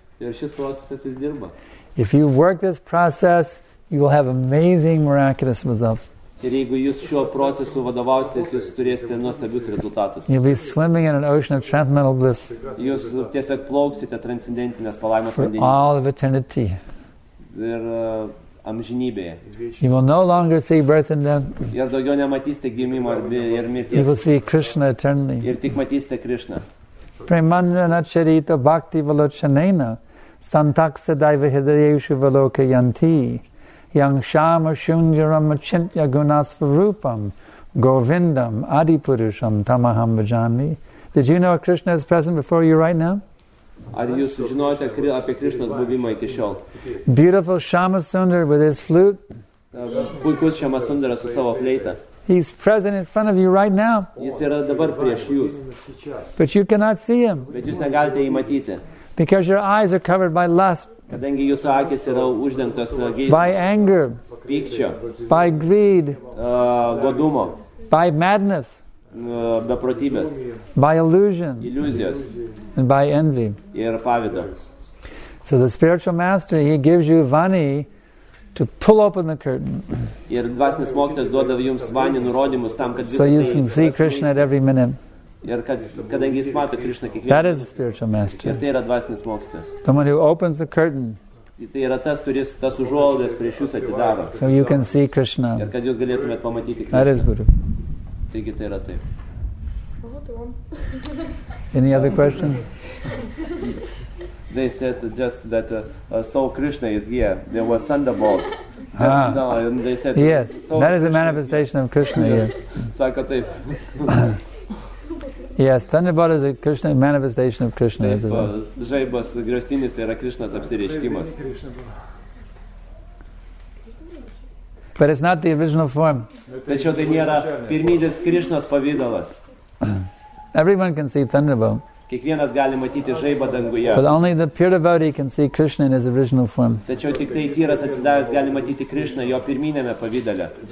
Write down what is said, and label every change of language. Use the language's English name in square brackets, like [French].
[English] If you work this process, you will have amazing miraculous results. [Lithuanian] Ir jeigu jūs šiuo procesu vadovausitės, jūs turėsite nuostabius rezultatus. [English] You'll be swimming in an ocean of transcendental bliss. [Lithuanian] Jūs tiesiog plauksite transcendentinės palaimos vandenyje. [English] All of eternity. [Lithuanian] Ir amžinybėje. [English] You will no longer see birth and death. [Lithuanian] Ir daugiau nematysite gimimo ir mirties. [English] You will see Krishna eternally. [Lithuanian] Ir tik matysite Krishna. [Sanskrit] Premandana charita bhakti valochanena santaksa daiva hidayeshu valoka yanti yang shama shunjaram achintya gunasvarupam govindam adipurusham tamaham bhajami. [English] Did you know Krishna is present before you right now? [Lithuanian] Ar jūs žinojate apie Krishnas buvimą iki šiol? [English] Beautiful Shama Sundar with his flute. [Lithuanian] Puikus Shama Sundara su savo fleita. [English] He's present in front of you right now. [Lithuanian] Jis yra dabar prieš jūs. [English] But you cannot see him. [Lithuanian] Bet jūs negalite jį matyti. [English] Because your eyes are covered by lust. [Lithuanian] Kadangi jūsų akis yra uždengtos geismo. [English] By anger. [Lithuanian] Pykčio. [English] By greed. [Lithuanian] Godumo. [English] By madness. [Lithuanian] Beprotybės. [English] By illusion. [Lithuanian] Iliuzijos. [English] And by envy. [Lithuanian] Ir pavydo. [English] So the spiritual master, he gives you vani to pull open the curtain. [Lithuanian] Ir dvasinis mokytas duoda jums vani nurodymus tam, kad [English] so you can see Krishna at every minute. [Lithuanian] Ir kadangi jis mato Krishna kiekvieną. [English] That is the spiritual master. [Lithuanian] Ir tai yra dvasinis mokytas. [English] The one who opens the curtain. [Lithuanian] Tai yra tas, kuris tas užuolaidas prieš jūs atidaro. [English] So you can see Krishna. [Lithuanian] Ir kad jūs galėtumėt pamatyti Krishna. [English] That is Guru. Any other question? They said just that soul Krishna is here. There was thunderbolt. Yes, that is a manifestation of Krishna here. Yes, thunderbolt is a Krishna manifestation of Krishna. [Lithuanian] Žaibas griaustinis tai yra Krishnas apsireiškimas. [English] But it's not the original form. [Lithuanian] Tačiau tai nėra pirminis Krishnos pavidalas. [English] Everyone can see thunderbolt. [Lithuanian] Kiekvienas gali matyti žaibą danguje. [English] But only the pure devotee can see Krishna in his original form. [Lithuanian] Tačiau tik tai tyras atsidavęs gali matyti Krishna jo pirminiame pavidale.